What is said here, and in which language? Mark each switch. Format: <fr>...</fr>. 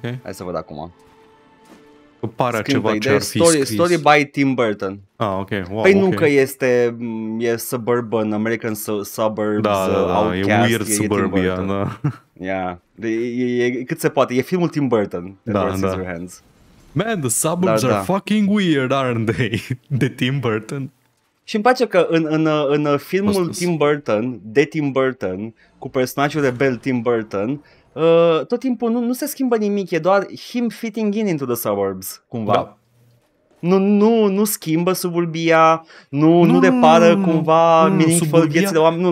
<ro>Hai să văd acum. Pare ceva ce ar fi</ro> <en>story by Tim Burton. Ah, ok. Wow,</en> <ro>păi</ro> <en>okay.</en> <ro>Nu că este e suburban,</ro> <en>American suburbs,</en> <ro>da,</ro> <en>outcast,</en> <ro>e</ro> <en>weird suburbia,</en> <ro>da.</ro> <en>Yeah.</en> <ro>E cât se poate, e filmul Tim Burton. Da,</ro> <en>hands. Man, the suburbs are fucking weird, aren't they?</en> <ro>De Tim Burton. Și îmi place că în filmul Tim Burton, de Tim Burton, cu personajul rebel Tim Burton, tot timpul nu se schimbă nimic, e doar</ro> <en>him fitting in into the suburbs,</en> <ro>cumva. Da. Nu schimbă suburbia, nu repară cumva meaningful viețile oamenilor.</ro>